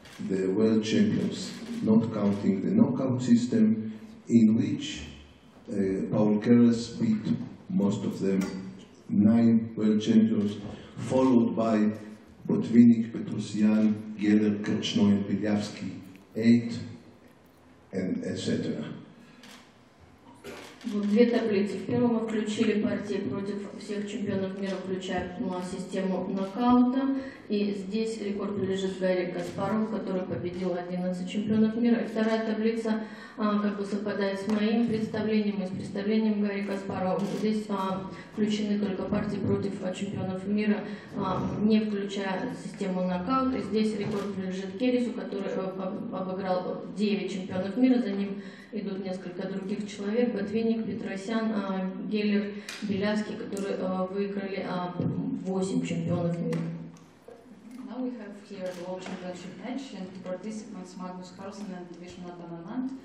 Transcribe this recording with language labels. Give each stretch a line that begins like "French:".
English: the world champions, not counting the knockout system, in which Paul Keres beat most of them, 9 world champions, followed by Botvinnik, Petrosyan, Geller, Kirchnoy, and Pilyavsky, 8, and etc.
Russian: Вот две таблицы. В первом мы включили партии против всех чемпионов мира, включая систему нокаута. И здесь рекорд лежит Гарри Каспарову, который победил 11 чемпионов мира. И вторая таблица как бы совпадает с моим представлением и с представлением Гарри Каспарова. Здесь включены только партии против чемпионов мира, не включая систему нокаута. И здесь рекорд лежит Керрису, который обыграл 9 чемпионов мира. За ним идут несколько других человек. Ботвинник, Петросян, Геллер, Белявский, которые выиграли 8 чемпионов мира.
English: We have here the World Championship match and the participants Magnus Carlsen and Vishwanath Anand.